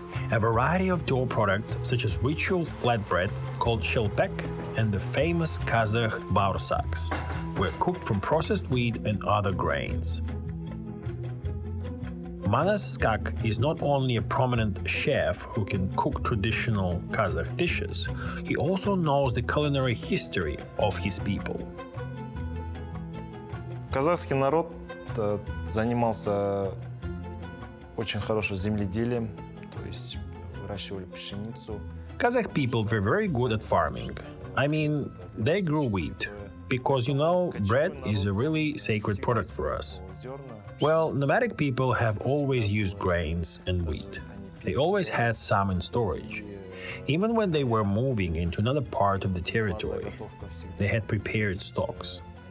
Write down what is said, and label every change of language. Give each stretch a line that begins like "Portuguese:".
English: A variety of dough products such as ritual flatbread called shelpek and the famous Kazakh baursaks were cooked from processed wheat and other grains. Manas Skak is not only a prominent chef who can cook traditional Kazakh dishes, he also knows the culinary history of his people.
Russian: Казахский народ занимался очень хорошим земледелием, то есть выращивали пшеницу.
English: Kazakh people were very good at farming. I mean, they grew wheat, because, you know, bread is a really sacred product for us. Well, nomadic people have always used grains and wheat. They always had some in storage. Even when they were moving into another part of the territory, they had prepared stocks.